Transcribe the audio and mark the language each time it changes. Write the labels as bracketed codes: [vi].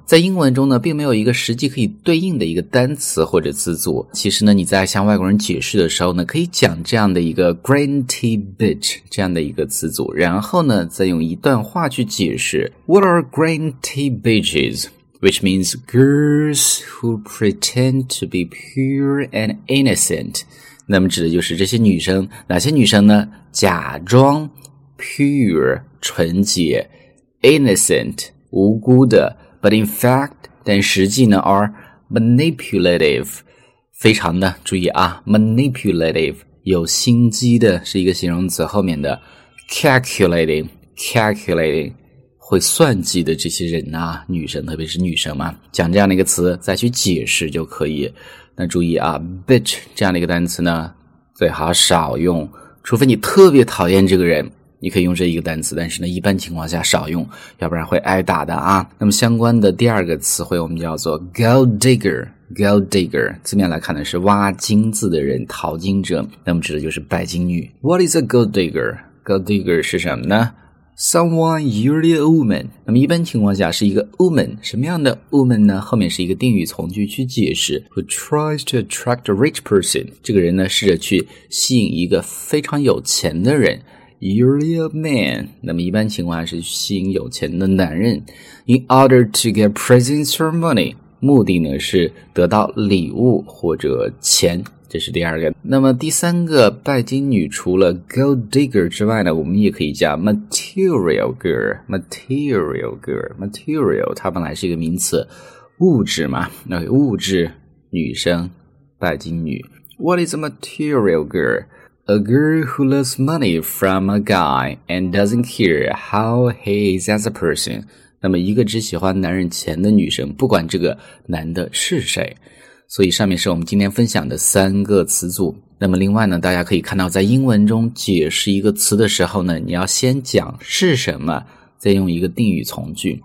[zh] 在英文中呢，并没有一个实际可以对应的一个单词或者词组。其实呢，你在向外国人解释的时候呢，可以讲这样的一个 green tea bitch 这样的一个词组，然后呢，再用一段话去解释 [en] What are green tea bitches? Which means girls who pretend to be pure and innocent. [zh] 那么指的就是这些女生，哪些女生呢？假装 pure, 纯洁 innocent, 无辜的 [en] but in fact, [zh] 但实际呢 are manipulative, 非常的注意啊 manipulative, 有心机的是一个形容词后面的 calculating, calculating,会算计的这些人啊，女生特别是女生嘛，讲这样的一个词再去解释就可以。那注意啊 bitch 这样的一个单词呢最好少用，除非你特别讨厌这个人你可以用这一个单词，但是呢一般情况下少用，要不然会挨打的啊。那么相关的第二个词汇我们叫做 gold digger， gold digger 字面来看呢是挖金子的人，淘金者，那么指的就是拜金女。 [en] What is a gold digger? Gold digger [zh] 是什么呢？ [en] Someone usually a woman. [zh] 那么一般情况下是一个 woman. 什么样的 woman 呢？后面是一个定语从句去解释。 [en] Who tries to attract a rich person. [zh] 这个人呢试着去吸引一个非常有钱的人。 [en] Usually a man. [zh] 那么一般情况下是吸引有钱的男人。 [en] In order to get presents or money. [zh] 目的呢是得到礼物或者钱。这是第二个。那么第三个拜金女除了 gold digger 之外呢，我们也可以叫 material girl， material girl， material 它本来是一个名词，物质嘛，那物质女生拜金女。 [en] What is a material girl? A girl who loves money from a guy and doesn't care how he is as a person. [zh] 那么一个只喜欢男人钱的女生，不管这个男的是谁。所以上面是我们今天分享的三个词组。那么另外呢，大家可以看到在英文中解释一个词的时候呢，你要先讲是什么，再用一个定语从句。